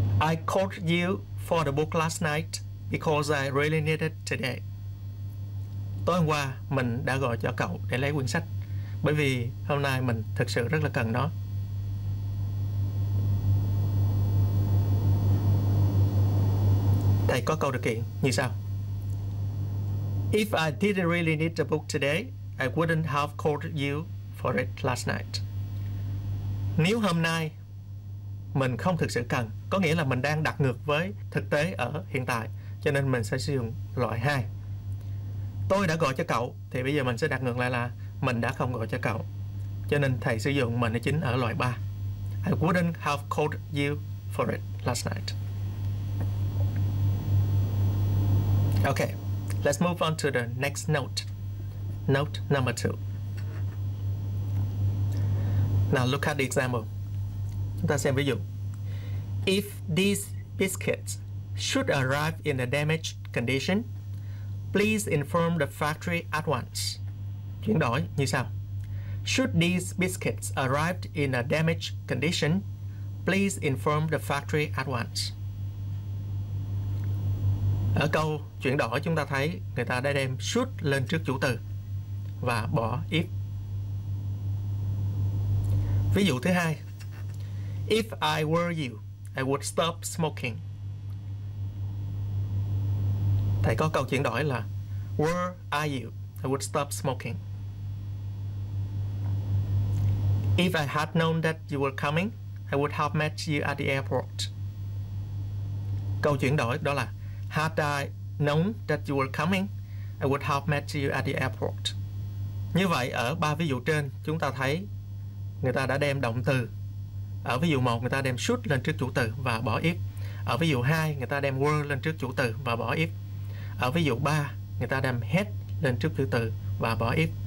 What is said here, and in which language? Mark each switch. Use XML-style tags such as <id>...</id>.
<en>I called you for the book last night because I really need it today.</en> <vi>Tối hôm qua mình đã gọi cho cậu để lấy quyển sách bởi vì hôm nay mình thực sự rất là cần nó. Thầy có câu điều kiện như sau.</vi> <en>If I didn't really need the book today, I wouldn't have called you for it last night.</en> <vi>Nếu hôm nay mình không thực sự cần, có nghĩa là mình đang đặt ngược với thực tế ở hiện tại, cho nên mình sẽ sử dụng loại 2. Tôi đã gọi cho cậu, thì bây giờ mình sẽ đặt ngược lại là mình đã không gọi cho cậu. Cho nên thầy sử dụng mình chính ở loại 3.</vi> <en>I wouldn't have called you for it last night. Okay. Let's move on to the next note. Note number 2. Now look at the example.</en> <vi>Chúng ta xem ví dụ.</vi> <en>If these biscuits should arrive in a damaged condition, please inform the factory at once.</en> <vi>Chuyển đổi như sau.</vi> <en>Should these biscuits arrive in a damaged condition, please inform the factory at once.</en> <vi>Ở câu chuyển đổi chúng ta thấy người ta đã đem should lên trước chủ từ và bỏ if. Ví dụ thứ hai.</vi> <en>If I were you, I would stop smoking.</en> <vi>Thầy có câu chuyển đổi là</vi> <en>were I you, I would stop smoking. If I had known that you were coming, I would have met you at the airport.</en> <vi>Câu chuyển đổi đó là</vi> <en>had I known that you were coming, I would have met you at the airport.</en> <vi>Như vậy, ở ba ví dụ trên, chúng ta thấy người ta đã đem động từ. Ở ví dụ 1, người ta đem should lên trước chủ từ và bỏ if. Ở ví dụ 2, người ta đem were lên trước chủ từ và bỏ if. Ở ví dụ 3, người ta đem had lên trước chủ từ và bỏ if.</vi>